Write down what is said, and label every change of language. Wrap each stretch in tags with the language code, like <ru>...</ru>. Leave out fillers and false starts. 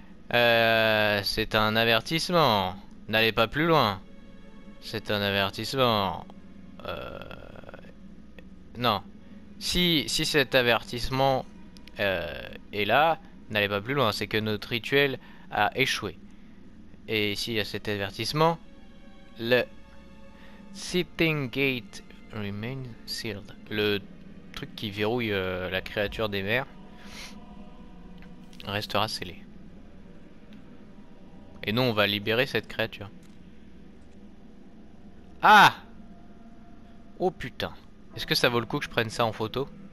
<fr>C'est un avertissement, n'allez pas plus loin. C'est un avertissement. Non, si cet avertissement est là, n'allez pas plus loin, c'est que notre rituel a échoué. Et s'il y a cet avertissement...</fr> <en>Le sitting gate remains sealed.</en> <fr>Le truc qui verrouille la créature des mers restera scellé. Et nous, on va libérer cette créature. Ah! Oh putain! Est-ce que ça vaut le coup que je prenne ça en photo?</fr>